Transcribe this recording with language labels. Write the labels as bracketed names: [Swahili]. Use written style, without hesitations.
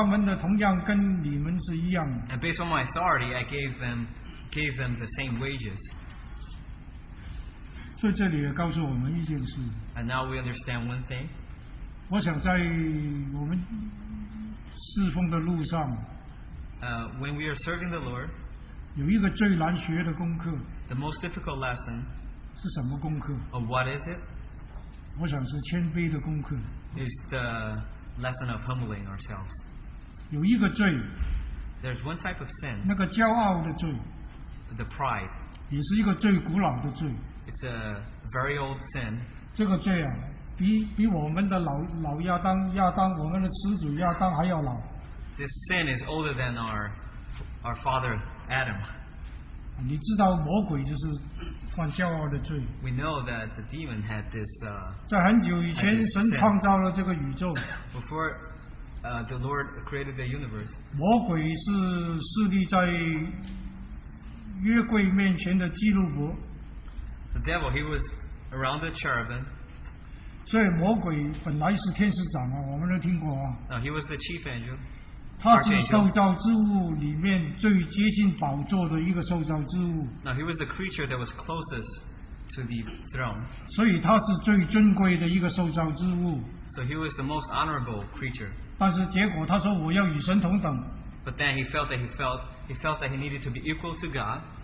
[Chinese] 另外一方面，我是根据我主宰的权柄，我对那些人给他们的同样跟你们是一样的。 [English] And based on my authority, I gave them the same wages. [Chinese] 所以这里也告诉我们一件事。 [English] And now we understand one thing. [Chinese] 我想在我们侍奉的路上。 [English] When we are serving the Lord, [Chinese] 有一个最难学的功课, [English] the most difficult lesson [Chinese] 是什么功课? [English] Or what is it? [Chinese] 我想是谦卑的功课, [English] is the lesson of humbling ourselves. [Chinese] 有一个罪, [English] there's one type of sin, [Chinese] 那个骄傲的罪, [English] the pride. [Chinese] 也是一个最古老的罪, [English] it's a very old sin. [Chinese] 这个罪啊, 比我们的老亚当, 我们的始祖亚当还要老。 [English] This sin is older than our father Adam. [Chinese] 你知道魔鬼就是犯骄傲的罪。 [English] We know that the demon had this. [Chinese] 在很久以前，神创造了这个宇宙。 [English] Before the Lord created the universe. [Chinese] 魔鬼是势立在约柜面前的基路伯。 [English] The devil, he was around the cherubim. [Chinese] 所以魔鬼本来是天使长啊，我们都听过啊。 [English] No, he was the chief angel. [Chinese] 他是受造之物里面最接近宝座的一个受造之物。 [English] Now he was the creature that was closest to the throne. [Chinese] 所以他是最尊贵的一个受造之物。 [English] So he was the most honorable creature. [Chinese] 但是结果他说我要与神同等。 [English] But then he felt that he needed to be equal to God.